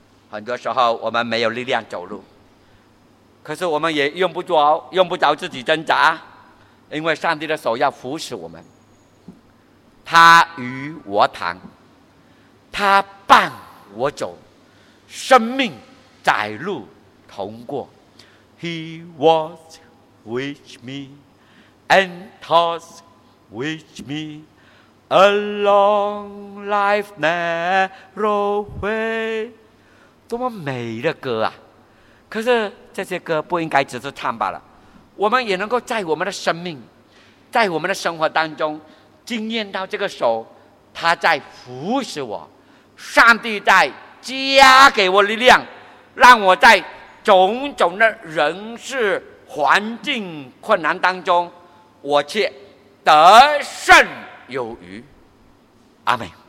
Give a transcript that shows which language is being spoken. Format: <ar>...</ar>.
<zh>很多时候我们没有力量走路，可是我们也用不着自己挣扎，因为上帝的手要扶持我们。他与我谈，他伴我走，生命窄路同过。</zh> <en>He walks with me and talks with me along life's narrow way。</en> <zh>多么美的歌啊，可是这些歌不应该只是唱罢了，我们也能够在我们的生命，在我们的生活当中经验到这个手他在扶持我，上帝在加给我力量，让我在种种的人事环境困难当中，我却得胜有余。阿们。</zh>